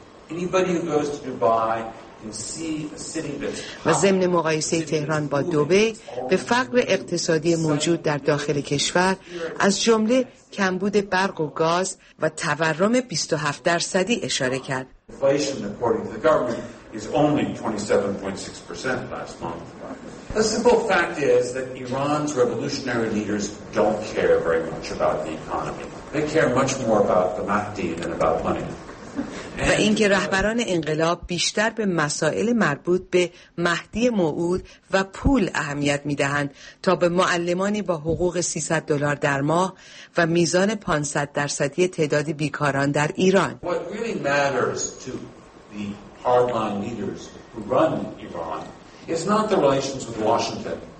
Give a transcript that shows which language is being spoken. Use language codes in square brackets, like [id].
[fa] Anybody who goes to Dubai can see a city that's و ضمن مقایسه تهران با دبی، به فقر اقتصادی موجود در داخل کشور از جمله کمبود برق و گاز و تورم 27% اشاره کرد. [en] Inflation according to the government is only 27.6% last month. The simple fact is that Iran's revolutionary leaders don't care very much about the economy. They care much more about the Mahdi than about money. [fa] و اینکه رهبران انقلاب بیشتر به مسائل مربوط به مهدی موعود و پول اهمیت می‌دهند تا به معلمانی با حقوق 300 دلار در ماه و میزان 500% تعداد بیکاران در ایران. [en] What really matters to the hardline leaders who run Iran is not the relations with Washington.